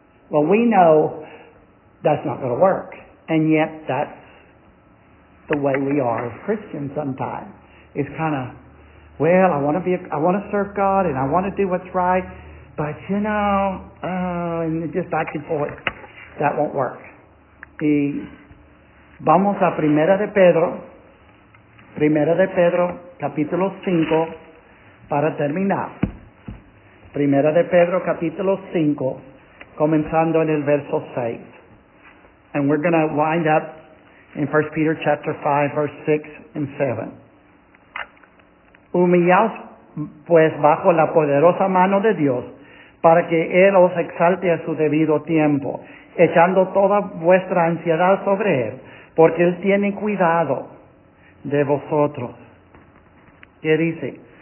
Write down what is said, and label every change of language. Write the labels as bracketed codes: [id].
[en] Well, we know that's not going to work. And yet that's the way we are as Christians sometimes. It's kind of, well, I want to serve God and I want to do what's right. But, you know, and just back and forth, that won't work. [es] Y vamos a Primera de Pedro, capítulo 5, para terminar. Primera de Pedro, capítulo 5, comenzando en el verso 6. [en] And we're going to wind up in 1 Peter chapter 5, verse 6 and 7. [es] Humillaos pues bajo la poderosa mano de Dios, para que Él os exalte a su debido tiempo, echando toda vuestra ansiedad sobre Él, porque Él tiene cuidado de vosotros. ¿Qué dice?